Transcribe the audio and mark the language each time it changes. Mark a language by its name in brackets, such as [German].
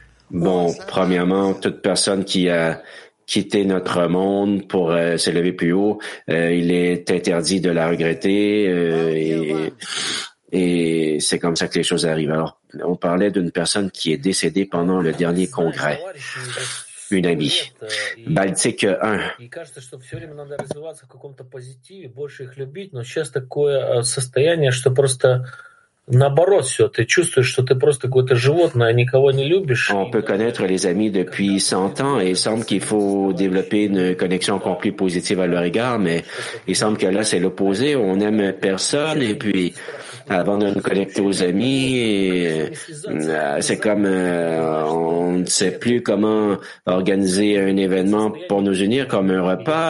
[French] Bon, premièrement, toute personne qui a quitter notre monde pour s'élever plus haut, il est interdit de la regretter et c'est comme ça que les choses arrivent. Alors, on parlait d'une personne qui est décédée pendant le dernier congrès, une amie. Baltique 1. Il pense que tout le temps, il faut se développer dans un positif, plus les aimer, mais il y a un état [Russian] Наоборот, все, ты чувствуешь, что ты просто какое-то животное, а никого не любишь. [French] On peut connaître les amis depuis 100 ans et il semble qu'il faut développer une connexion encore plus positive à leur égard, mais il semble que là, c'est l'opposé. On n'aime personne et puis avant de nous connecter aux amis, c'est comme on ne sait plus comment organiser un événement pour nous unir comme un repas.